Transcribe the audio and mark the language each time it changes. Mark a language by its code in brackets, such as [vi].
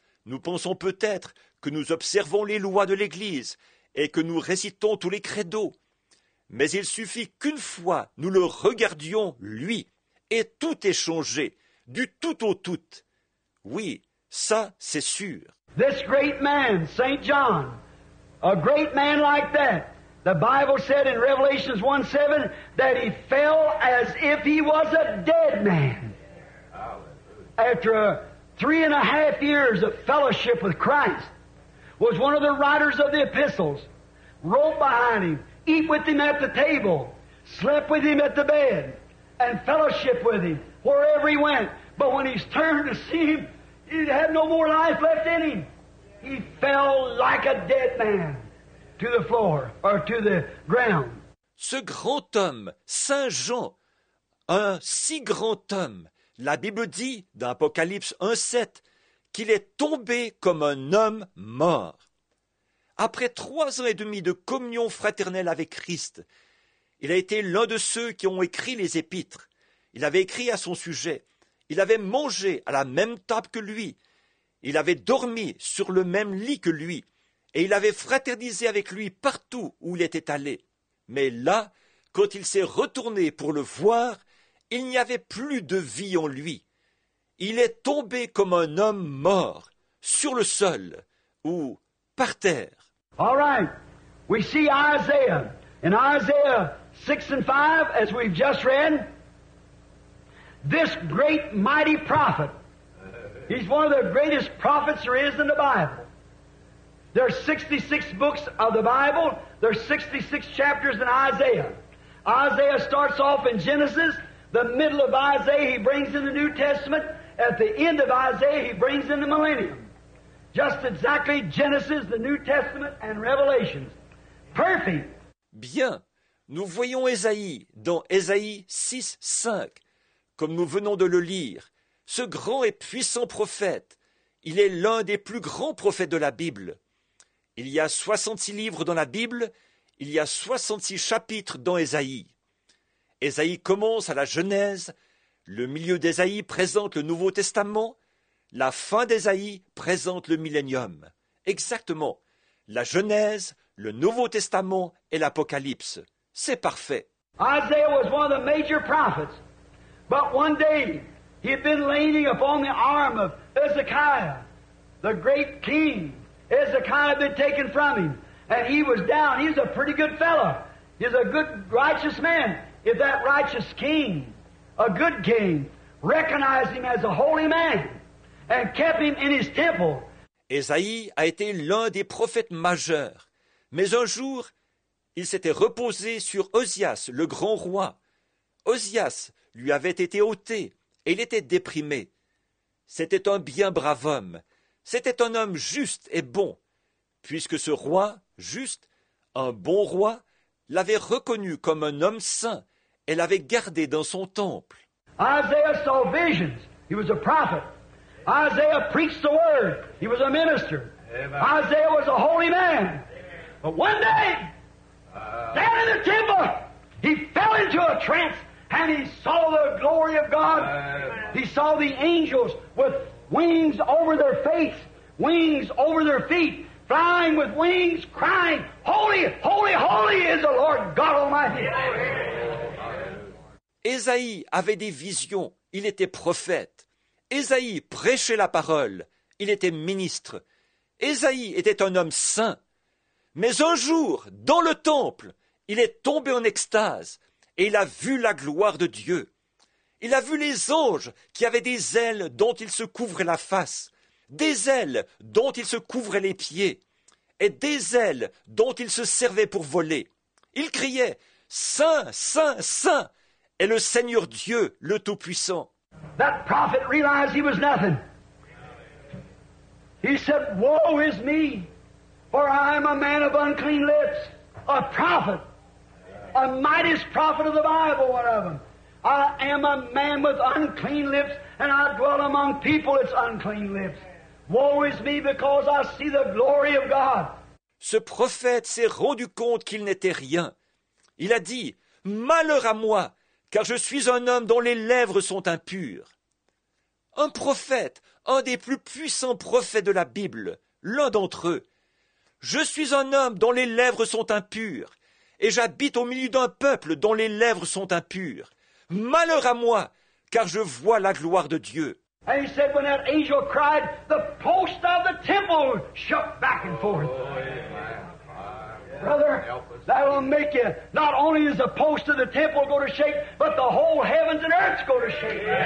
[fr] Nous pensons peut-être que nous observons les lois de l'église et que nous récitons tous les credos. Mais il suffit qu'une fois nous le regardions, lui, et tout est changé, du tout au tout. Oui, ça, c'est sûr. [en] This great man, Saint John, a great man like that, the Bible said in Revelations 1:7 that he fell as if he was a dead man. after 3.5 years of fellowship with Christ, was one of the writers of the epistles, wrote behind him, eat with him at the table, slept with him at the bed, and fellowship with him wherever he went. But when he's turned to see him, he had no more life left in him. He fell like a dead man to the floor or to the ground. [fr] Ce grand homme, Saint Jean, un si grand homme, la Bible dit dans Apocalypse 1:7 qu'il est tombé comme un homme mort. Après 3 ans et demi de communion fraternelle avec Christ, il a été l'un de ceux qui ont écrit les Épîtres. Il avait écrit à son sujet. Il avait mangé à la même table que lui. Il avait dormi sur le même lit que lui. Et il avait fraternisé avec lui partout où il était allé. Mais là, quand il s'est retourné pour le voir, il n'y avait plus de vie en lui. Il est tombé comme un homme mort, sur le sol ou par terre. [en] All right, we see Isaiah. In Isaiah 6 and 5, as we've just read, this great mighty prophet, he's one of the greatest prophets there is in the Bible. There are 66 books of the Bible. There are 66 chapters in Isaiah. Isaiah starts off in Genesis. The middle of Isaiah, he brings in the New Testament. At the end of Isaiah, he brings in the millennium. Just exactly Genesis, the New Testament, and Revelation. Perfect. [fr] Bien, nous voyons Ésaïe dans Ésaïe 6, 5, comme nous venons de le lire. Ce grand et puissant prophète, il est l'un des plus grands prophètes de la Bible. Il y a 66 livres dans la Bible, il y a 66 chapitres dans Ésaïe. Ésaïe commence à la Genèse, le milieu d'Ésaïe présente le Nouveau Testament, la fin d'Ésaïe présente le millénium. Exactement, la Genèse, le Nouveau Testament et l'Apocalypse. C'est parfait. [en] Isaiah was one of the major prophets, but one day he had been leaning upon the arm of Hezekiah, the great king. Hezekiah had been taken from him, and he was down. He's a pretty good fellow. He's a good, righteous man. If that righteous king, a good king, recognized him as a holy man and kept him in his temple. [fr] Ésaïe a été l'un des prophètes majeurs. Mais un jour, il s'était reposé sur Ozias, le grand roi. Ozias lui avait été ôté et il était déprimé. C'était un bien brave homme. C'était un homme juste et bon. Puisque ce roi, juste, un bon roi, l'avait reconnu comme un homme saint et l'avait gardé dans son temple. [en] Isaiah saw visions. He was a prophet. Isaiah preached the word. He was a minister. Isaiah was a holy man. But one day, down in the temple, he fell into a trance and he saw the glory of God. He saw the angels with wings over their face, wings over their feet, flying with wings, crying, "Holy, holy, holy is the Lord God Almighty." [fr] Ésaïe avait des visions. Il était prophète. Ésaïe prêchait la parole. Il était ministre. Ésaïe était un homme saint. Mais un jour, dans le temple, il est tombé en extase et il a vu la gloire de Dieu. Il a vu les anges qui avaient des ailes dont ils se couvraient la face, des ailes dont ils se couvraient les pieds et des ailes dont ils se servaient pour voler. Il criait « Saint, Saint, Saint est le Seigneur Dieu, le Tout-Puissant. » [en] That prophet realized he was nothing. He said, "Woe is me! For I am a man of unclean lips, a prophet, a mightiest prophet of the Bible, one of them. I am a man with unclean lips, and I dwell among people that's unclean lips. Woe is me, because I see the glory of God." [fr] Ce prophète s'est rendu compte qu'il n'était rien. Il a dit, « Malheur à moi, car je suis un homme dont les lèvres sont impures. » Un prophète, un des plus puissants prophètes de la Bible, l'un d'entre eux, « Je suis un homme dont les lèvres sont impures, et j'habite au milieu d'un peuple dont les lèvres sont impures. Malheur à moi, car je vois la gloire de Dieu. » [en] And he said, when that angel cried, the post of the temple shook back and forth. Oh, brother, that'll make you, not only is the post of the temple going to shake, but the whole heavens and earth's going to shake.